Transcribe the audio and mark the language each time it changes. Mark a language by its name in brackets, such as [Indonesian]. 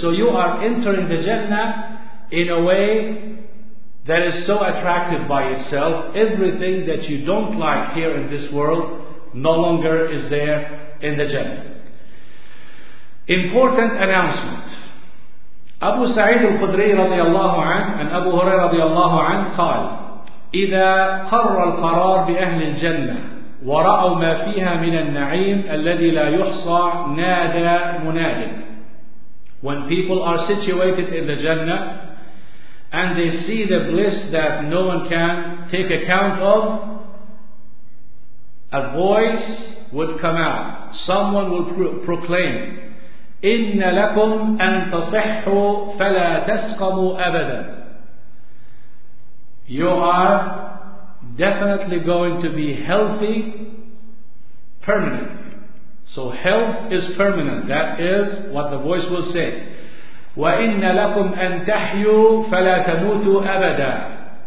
[English] So you are entering the Jannah in a way that is so attractive by itself. Everything that you don't like here in this world no longer is there in the Jannah. Important announcement. [Arabic] Abu Sa'id al-Khudri radiallahu anhu and Abu Hurairah radiallahu anhu قال إذا قرر القرار بأهل الجنة ورأوا ما فيها من النعيم الذي لا يحصى نادى مناد. [English] When people are situated in the Jannah and they see the bliss that no one can take account of, a voice would come out. Someone will proclaim, [Arabic] إِنَّ لَكُمْ أَن تَصِحُّوا فَلَا تَسْقَمُوا أَبَدًا. [English] You are definitely going to be healthy permanently. So health is permanent. That is what the voice will say. [Arabic] وَإِنَّ لَكُمْ أَن تَحْيُوا فَلَا تَمُوتُوا أَبَدًا.